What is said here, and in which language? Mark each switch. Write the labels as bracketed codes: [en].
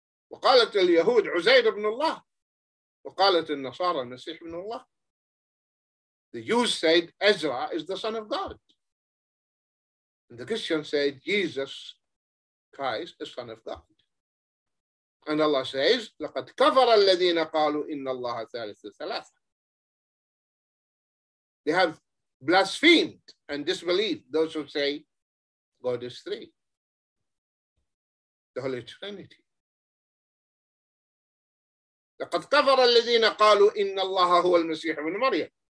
[ar] وقالت اليهود عزير بن الله وقالت النصارى المسيح بن الله. [en] The Jews said Ezra is the Son of God. And the Christians said, Jesus Christ is Son of God. And Allah says, [ar] لَقَدْ كَفَرَ الَّذِينَ قَالُوا إِنَّ اللَّهَ ثَالِثُ ثَلَاثَ. [en] They have blasphemed and disbelieved those who say God is three. The Holy Trinity. [ar] لَقَدْ كَفَرَ الَّذِينَ قَالُوا إِنَّ اللَّهَ هُوَ الْمَسِيحُ بْنُ مَرْيَمَ.